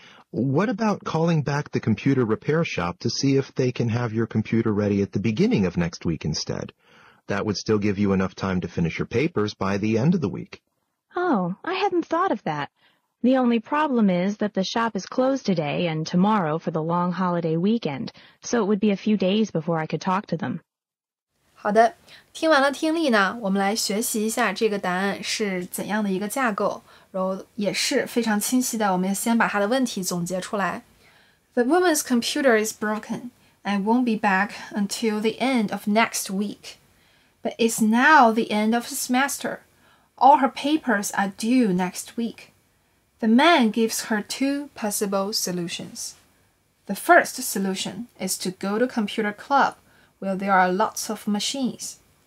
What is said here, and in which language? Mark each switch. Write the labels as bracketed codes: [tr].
[en] What about calling back the computer repair shop to see if they can have your computer ready at the beginning of next week instead? That would still give you enough time to finish your papers by the end of the week. Oh, I hadn't thought of that. The only problem is that the shop is closed today and tomorrow for the long holiday weekend, so it would be a few days before I could talk to them. [zh] 好的，听完了听力呢，我们来学习一下这个答案是怎样的一个架构，然后也是非常清晰的，我们先把它的问题总结出来。 [en] The woman's computer is broken and won't be back until the end of next week. But it's now the end of the semester. All her papers are due next week. The man gives her two possible solutions. The first solution is to go to computer club where there are lots of machines.